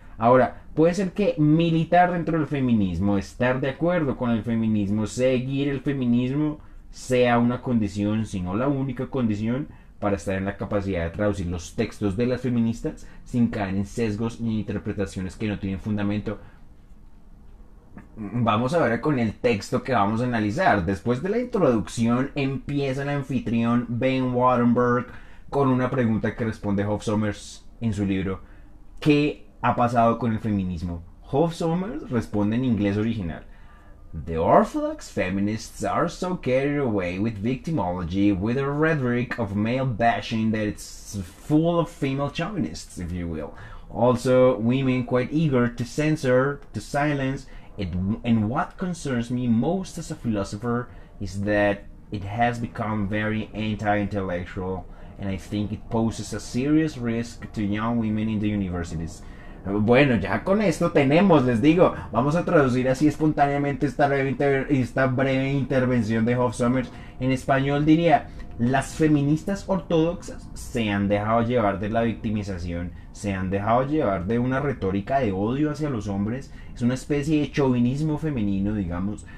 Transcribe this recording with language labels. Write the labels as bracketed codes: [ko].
[es] Ahora, puede ser que militar dentro del feminismo, estar de acuerdo con el feminismo, seguir el feminismo, sea una condición, si no la única condición, para estar en la capacidad de traducir los textos de las feministas sin caer en sesgos ni interpretaciones que no tienen fundamento. Vamos a ver con el texto que vamos a analizar. Después de la introducción, empieza el anfitrión Ben Wattenberg con una pregunta que responde Hof Sommers en su libro: ¿qué ha pasado con el feminismo? Hof Sommers responde en inglés original: [en] The orthodox feminists are so carried away with victimology, with a rhetoric of male bashing that it's full of female chauvinists, if you will. Also, women quite eager to censor, to silence. And what concerns me most as a philosopher is that it has become very anti-intellectual, and I think it poses a serious risk to young women in the universities. [es] Bueno, ya con esto tenemos, les digo, vamos a traducir así espontáneamente esta breve intervención de Hof Sommers. En español diría: las feministas ortodoxas se han dejado llevar de la victimización, se han dejado llevar de una retórica de odio hacia los hombres, es una especie de chauvinismo femenino, digamos.